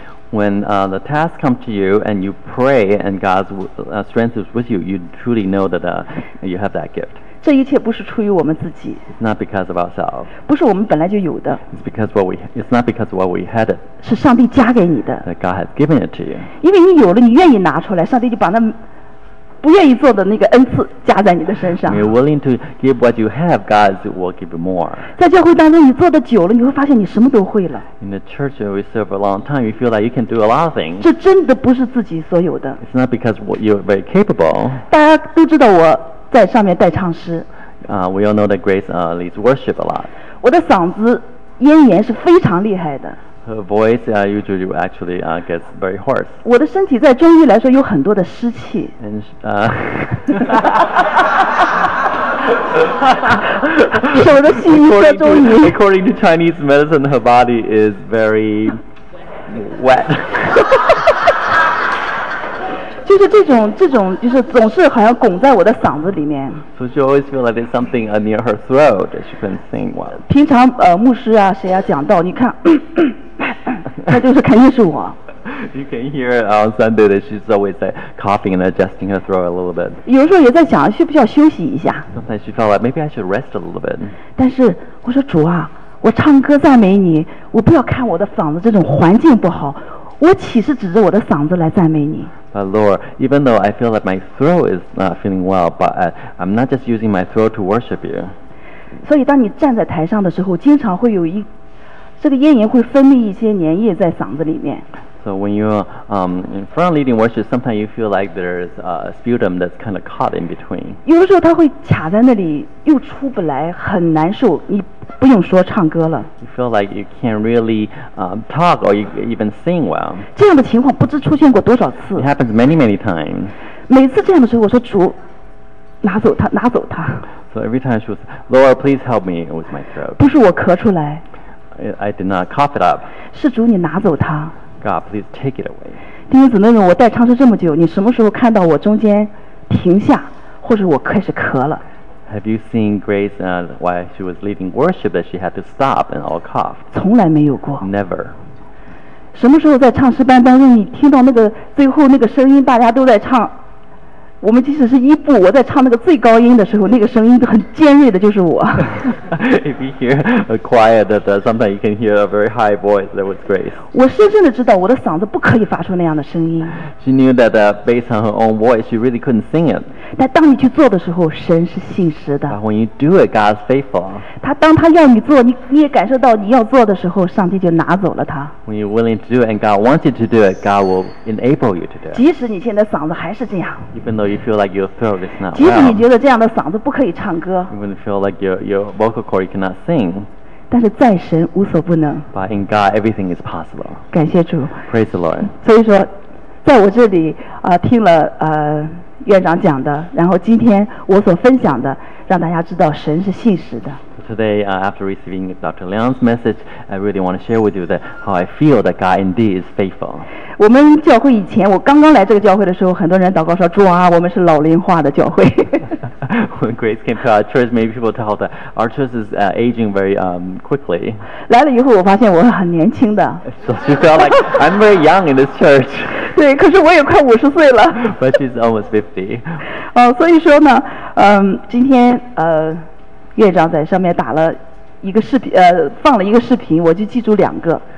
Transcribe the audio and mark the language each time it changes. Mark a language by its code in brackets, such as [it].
[en] When the task comes to you and you pray and God's strength is with you, you truly know that you have that gift. [zh] 这一切不是出于我们自己。 [en] It's not because of ourselves. [zh] 不是我们本来就有的。 [en] It's not because of what we had it. [zh] 是上帝加给你的。 [en] That God has given it to you. [zh] 因为你有了，你愿意拿出来，上帝就把那不愿意做的那个恩赐加在你的身上。 [en] You're willing to give what you have, God will give you more. [zh] 在教会当中，你做的久了，你会发现你什么都会了。 [en] In the church where we serve a long time, you feel like you can do a lot of things. [zh] 这真的不是自己所有的。 [en] It's not because you're very capable. [zh] 大家都知道我。在上面带唱诗。 [en] We all know that Grace leads worship a lot. [zh] 我的嗓子咽炎是非常厉害的。 [en] Her voice usually actually gets very hoarse. [zh] 我的身体在中医来说有很多的湿气。什么的细腻在中医。 [en] According to Chinese medicine, her body is very wet. [zh] 就是这种就是总是好像拱在我的嗓子里面。 [en] So she always feels like there's something near her throat that she can sing well. [zh] 平常牧师啊谁啊讲道，你看，他就是肯定是我。 [en] You can hear it on Sunday that she's always like coughing and adjusting her throat a little bit. [zh] 有时候也在想需不需要休息一下。 [en] Sometimes she felt like maybe I should rest a little bit. [zh] 但是我说主啊，我唱歌赞美你，我不要看我的嗓子这种环境不好。我岂是指着我的嗓子来赞美你？ [en] But Lord, even though I feel like my throat is not feeling well, but I'm not just using my throat to worship you. [zh] 所以当你站在台上的时候，经常会有这个咽炎会分泌一些粘液在嗓子里面。 [en] So when you're in front leading worship, sometimes you feel like there's a sputum that's kind of caught in between. [zh] 有的时候它会卡在那里，又出不来，很难受。你不用说唱歌了。 [en] You feel like you can't really talk or even sing well. [zh] 这样的情况不知出现过多少次。 [en] It happens many, many times. [zh] 每次这样的时候，我说主，拿走它，拿走它。 [en] So every time she was, Lord, please help me with my throat. [zh] 不是我咳出来。 [en] I did not cough it up. [zh] 是主，你拿走它。 [en] God, please take it away. [zh] 弟兄姊妹们，我带唱诗这么久，你什么时候看到我中间停下，或者我开始咳了？ [en] Have you seen Grace while she was leading worship that she had to stop and all cough? [zh] 从来没有过。 [en] Never. [zh] 什么时候在唱诗班当中，你听到那个最后那个声音，大家都在唱，我们即使是一步，我在唱那个最高音的时候，那个声音很尖锐的，就是我。 [en] If you hear a choir, that sometimes you can hear a very high voice, that was Grace. [zh] 我深深的知道，我的嗓子不可以发出那样的声音。 [en] She knew that based on her own voice, she really couldn't sing it. [zh] 但当你去做的时候，神是信实的。 [en] But when you do it, God is faithful. [zh] 他当他要你做，你也感受到你要做的时候，上帝就拿走了他。 [en] When you're willing to do it and God wants you to do it, God will enable you to do it. [zh] 即使你现在嗓子还是这样。 [en] Even though you feel like your throat is not. [zh] 即使你觉得这样的嗓子不可以唱歌。 [en] Even feel like your vocal cord you cannot sing. [zh] 但是在神无所不能。 [en] But in God, everything is possible. [zh] 感谢主。 [en] Praise the Lord. [zh] 所以说，在我这里听了院长讲的，然后今天我所分享的，让大家知道神是信实的。 [en] So、today, after receiving Dr. Leon's message, I really want to share with you that how I feel that God indeed is faithful. [zh] 我们教会以前，我刚刚来这个教会的时候，很多人祷告说：“主啊，我们是老龄化的教会。 [en] ”When Grace came to our church, many people tell that our church is aging very quickly. [zh] 来了以后，我发现我很年轻的。 [en] So she felt like I'm very young in this church. [zh] 对，可是我也快50岁了。 [en] But she's almost 50. [zh] 所以说呢，今天院长在上面打了一个视频，放了一个视频，我就记住两个。